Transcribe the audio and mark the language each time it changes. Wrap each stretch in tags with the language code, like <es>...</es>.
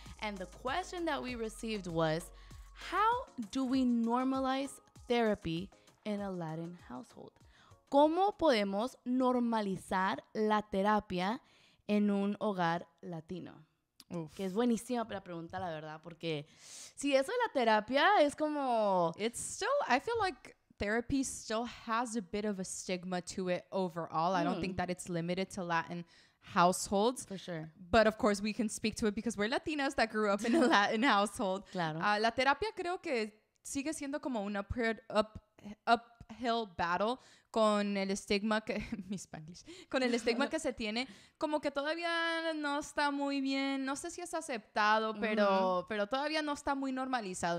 <en>And the question that we received was, how do we normalize therapy in a Latin household?</en> <es>¿Cómo podemos normalizar la terapia en un hogar latino? Uf. Que es buenísima la pregunta, la verdad, porque si eso de la terapia es como...</es> <en>I feel like therapy still has a bit of a stigma to it overall. Mm. I don't think that it's limited to Latin households. For sure. But of course, we can speak to it because we're Latinas that grew up in a Latin household.</en> <es>Claro. La terapia creo que sigue siendo como una</es> <en>uphill battle</en> <es>con el estigma que mi Spanish con el estigma que se tiene, como que todavía no está muy bien, no sé si es aceptado, pero pero todavía no está muy normalizado.</es>